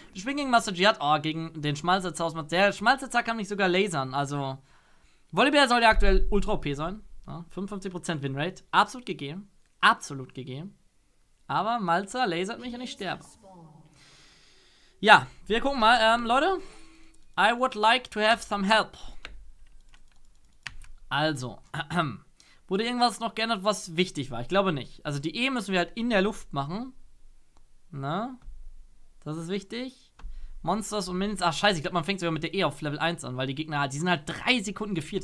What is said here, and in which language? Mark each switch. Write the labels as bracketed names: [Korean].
[German] Wir spielen gegen Master Jihad. Oh, gegen den Schmalzitzer aus. Der Schmalzitzer kann mich sogar lasern. Also, Volibear soll ja aktuell ultra OP sein. Ja, 55% Winrate. Absolut gegeben. Aber Malzer lasert mich und ich sterbe. Ja, wir gucken mal. [English] Leute, I would like to have some help. [German] Also, wurde irgendwas noch geändert, was wichtig war? Ich glaube nicht. Also die E müssen wir halt in der Luft machen. Ne? Das ist wichtig. Monsters und Minions. Ach scheiße, ich glaube, man fängt sogar mit der E auf Level 1 an, weil die Gegner, die sind halt 3 Sekunden gefeiert.